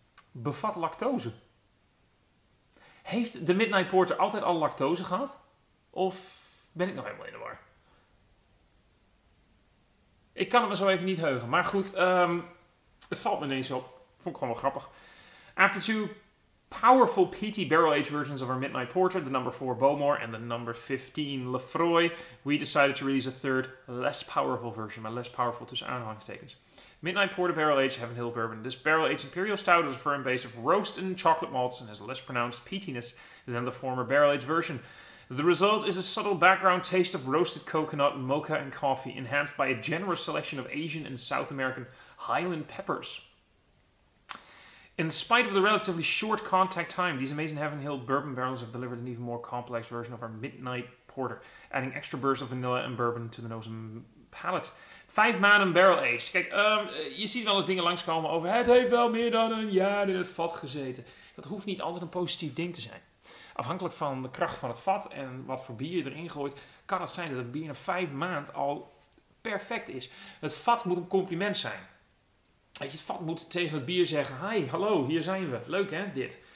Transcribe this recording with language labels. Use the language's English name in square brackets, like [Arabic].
[Dutch] Bevat lactose. Heeft de Midnight Porter altijd al lactose gehad? Of ben ik nog helemaal in de war? Ik kan het me zo even niet heugen. Maar goed, het valt me ineens op. Vond ik gewoon wel grappig. [English] After two powerful peaty barrel aged versions of our Midnight Porter, the number 4 Bowmore and the number 15 Lefroy, we decided to release a third, less powerful version. [Dutch] Maar [English] less powerful [Dutch] tussen aanhalingstekens. Midnight Porter Barrel Aged Heaven Hill Bourbon. [English] This Barrel Aged Imperial Stout is a firm base of roast and chocolate malts and has less pronounced peatiness than the former Barrel Aged version. The result is a subtle background taste of roasted coconut, mocha and coffee, enhanced by a generous selection of Asian and South American Highland peppers. In spite of the relatively short contact time, these amazing Heaven Hill Bourbon barrels have delivered an even more complex version of our Midnight Porter, adding extra bursts of vanilla and bourbon to the nose and palate. [Dutch] 5 maanden barrel aged. Kijk, je ziet wel eens dingen langskomen over het heeft wel meer dan een jaar in het vat gezeten. Dat hoeft niet altijd een positief ding te zijn. Afhankelijk van de kracht van het vat en wat voor bier je erin gooit, kan het zijn dat het bier na 5 maanden al perfect is. Het vat moet een compliment zijn. Het vat moet tegen het bier zeggen, hi, hallo, hier zijn we. Leuk hè, dit.